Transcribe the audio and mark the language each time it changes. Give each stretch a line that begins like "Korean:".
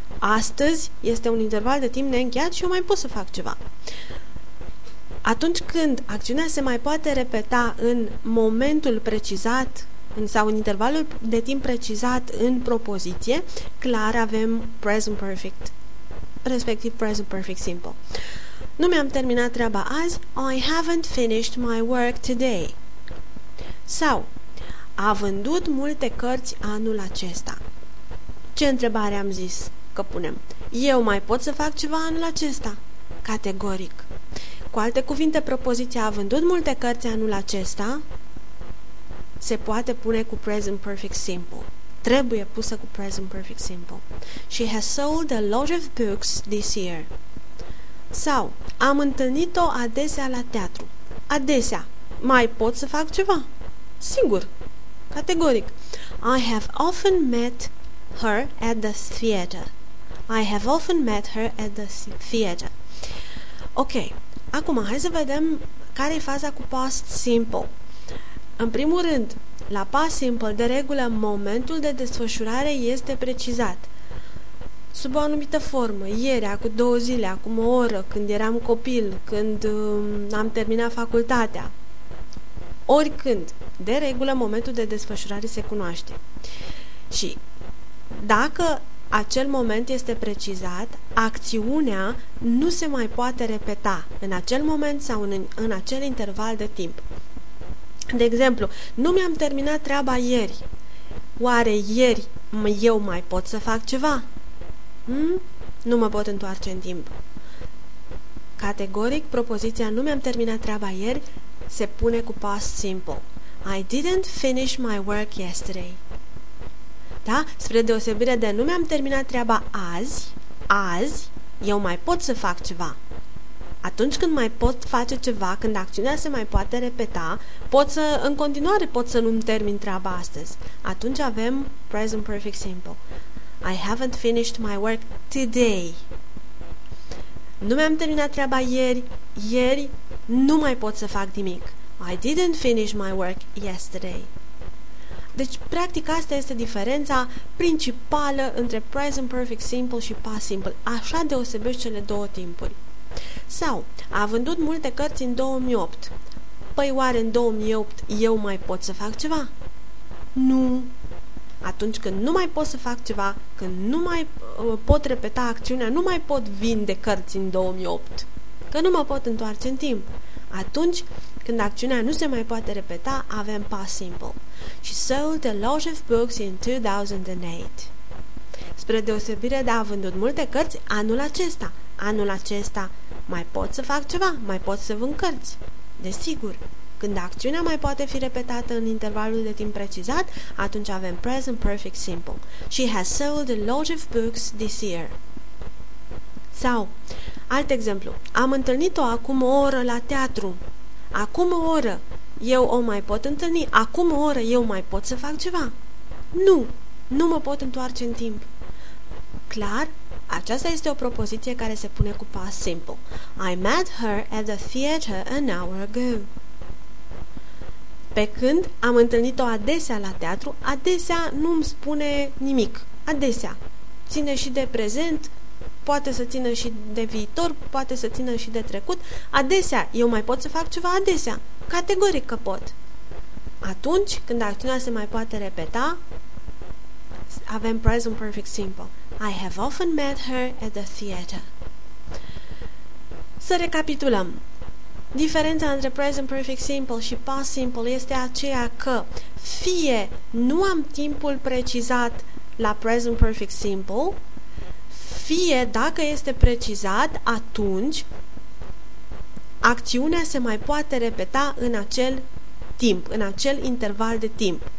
Romanian: Astăzi este un interval de timp neîncheiat și eu mai pot să fac ceva. Atunci când acțiunea se mai poate repeta în momentul precizat sau în intervalul de timp precizat în propoziție, clar avem present perfect, respectiv present perfect simple. Nu mi-am terminat treaba azi,
English: I haven't finished my work today.
Romanian: Sau, a vândut multe cărți anul acesta. Ce întrebare am zis că punem? Eu mai pot să fac ceva anul acesta? Categoric. Cu alte cuvinte, propoziția a vândut multe cărți anul acesta se poate pune cu present perfect simple. Trebuie pusă cu present perfect simple.
English: She has sold a lot of books this year.
Romanian: Sau, am întâlnit-o adesea la teatru. Adesea. Mai pot să fac ceva? Sigur. Categoric.
English: I have often met her at the theater. I have often met her at the theater. Ok.
Romanian: Acum, hai să vedem care e faza cu past simple. În primul rând, la past simple, de regulă, momentul de desfășurare este precizat. Sub o anumită formă, ieri, acum două zile, acum o oră, când eram copil, când am terminat facultatea. Oricând, de regulă, momentul de desfășurare se cunoaște. Și dacă acel moment este precizat, acțiunea nu se mai poate repeta în acel moment sau în acel interval de timp. De exemplu, nu mi-am terminat treaba ieri. Oare ieri eu mai pot să fac ceva? Nu mă pot întoarce în timp. Categoric, propoziția nu mi-am terminat treaba ieri se pune cu past simple.
English: I didn't finish my work yesterday.
Romanian: Da? Spre deosebire de nu mi-am terminat treaba azi, azi eu mai pot să fac ceva. Atunci când mai pot face ceva, când acțiunea se mai poate repeta, pot să, în continuare pot să nu-mi termin treaba astăzi. Atunci avem present perfect simple.
English: I haven't finished my work today.
Romanian: Nu mi-am terminat treaba ieri, ieri nu mai pot să fac nimic.
English: I didn't finish my work yesterday.
Romanian: Deci, practic, asta este diferența principală între present perfect simple și past simple. Așa deosebești cele două timpuri. Sau, a vândut multe cărți în 2008. Păi oare în 2008 eu mai pot să fac ceva? Nu. Atunci când nu mai pot să fac ceva, când nu mai pot repeta acțiunea, nu mai pot vinde cărți în 2008, că nu mă pot întoarce în timp. Atunci când acțiunea nu se mai poate repeta, avem past simple.
English: She sold a lot of books in 2008.
Romanian: Spre deosebire de a vândut multe cărți anul acesta. Anul acesta mai pot să fac ceva, mai pot să vând cărți. Desigur. Când acțiunea mai poate fi repetată în intervalul de timp precizat, atunci avem present perfect simple.
English: She has sold a lot of books this year.
Romanian: Sau, alt exemplu, am întâlnit-o acum o oră la teatru. Acum o oră eu o mai pot întâlni? Acum o oră eu mai pot să fac ceva? Nu, nu mă pot întoarce în timp. Clar, aceasta este o propoziție care se pune cu past simple.
English: I met her at the theater an hour ago.
Romanian: Pe când am întâlnit-o adesea la teatru, adesea nu îmi spune nimic. Adesea. Ține și de prezent, poate să țină și de viitor, poate să țină și de trecut. Adesea. Eu mai pot să fac ceva adesea. Categoric că pot. Atunci când acțiunea se mai poate repeta, avem present perfect simple.
English: I have often met her at the theater.
Romanian: Să recapitulăm. Diferența între present perfect simple și past simple este aceea că fie nu am timpul precizat la present perfect simple, fie dacă este precizat, atunci acțiunea se mai poate repeta în acel timp, în acel interval de timp.